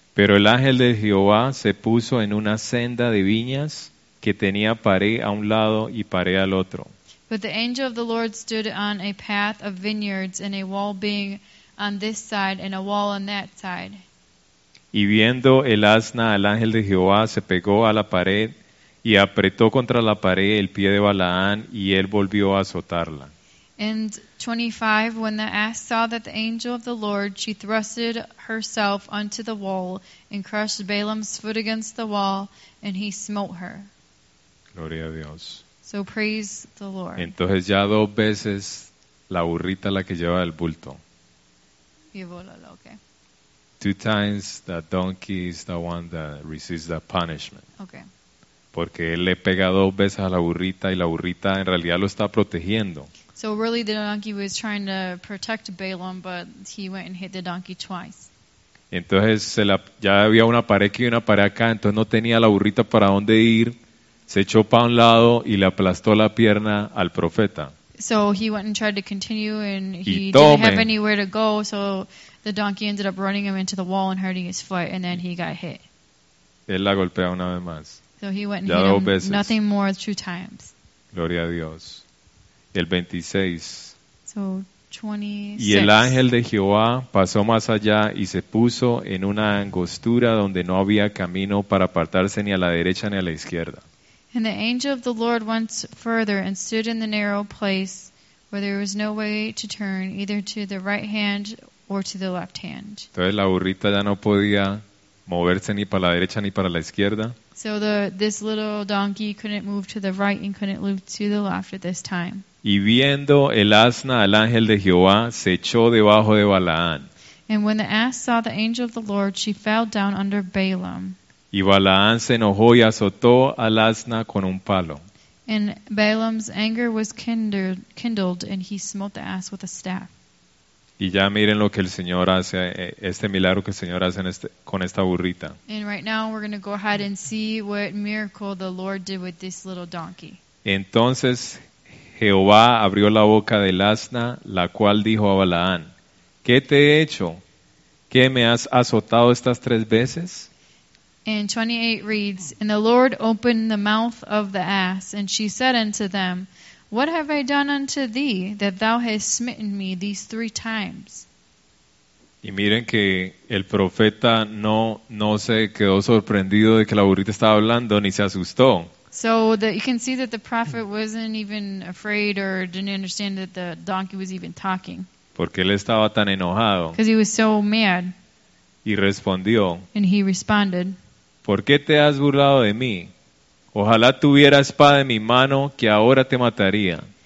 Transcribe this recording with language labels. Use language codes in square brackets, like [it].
[es] Pero el ángel de Jehová se puso en una senda de viñas que tenía pared a un lado y pared al otro. [en] But the angel of the Lord stood on a path of vineyards and a wall being on this side and a wall on that side. [es] Y viendo el asna, el ángel de Jehová se pegó a la pared y apretó contra la pared el pie de Balaán y él volvió a azotarla. [en] And 25, when the ass saw that the angel of the Lord, she thrusted herself unto the wall and crushed Balaam's foot against the wall, and he smote her. [es] Gloria a Dios. [en] So praise the Lord. [es] Entonces ya dos veces la burrita la que lleva el bulto. [en] Okay. Two times the donkey is the one that receives the punishment. Okay. [es] Porque él le pega dos veces a la burrita y la burrita en realidad lo está protegiendo. [en] So really the donkey was trying to protect Balaam, but he went and hit the donkey twice. [es] Entonces ya había una pared aquí y una pared acá, entonces no tenía la burrita para dónde ir. Se echó para un lado y le aplastó la pierna al profeta. [en] So he went and tried to continue and he didn't have anywhere to go, so the donkey ended up running him into the wall and hurting his foot, and then he got hit. [es] Él la golpea una vez más. [en] So he went and hit him nothing more two times. [es] Gloria a Dios. El 26. [en] So 26. [es] Y el ángel de Jehová pasó más allá y se puso en una angostura donde no había camino para apartarse ni a la derecha ni a la izquierda. [en] And the angel of the Lord went further and stood in the narrow place where there was no way to turn either to the right hand or to the left hand. [es] Entonces la burrita ya no podía moverse ni para la derecha ni para la izquierda. [en] So this little donkey couldn't move to the right and couldn't move to the left at this time. [es] Y viendo el asna, el ángel de Jehová se echó debajo de Balaán. [en] And when the ass saw the angel of the Lord, she fell down under Balaam. [es] Y Balaán se enojó y azotó al asna con un palo. [en] And Balaam's anger was kindled and he smote the ass with a staff. [es] Y ya miren lo que el Señor hace, este milagro que el Señor hace con esta burrita. [en] And right now we're going to go ahead and see what miracle the Lord did with this little donkey. [es] Entonces Jehová abrió la boca del asna, la cual dijo a Balaán, ¿qué te he hecho? ¿Qué me has azotado estas tres veces? [en] And 28 reads, And the Lord opened the mouth of the ass, and she said unto them, What have I done unto thee, that thou hast smitten me these three times? [es] Y miren que el profeta no se quedó sorprendido de que la burrita estaba hablando, ni se asustó. [en] So you can see that the prophet wasn't even afraid or didn't understand that the donkey was even talking. [es] Porque él estaba tan enojado. [en] Because he was so mad. [es] Y respondió. [en] And he responded. [es] ¿Por qué te has burlado de mí? Ojalá tuviera espada en mi mano que ahora te mataría.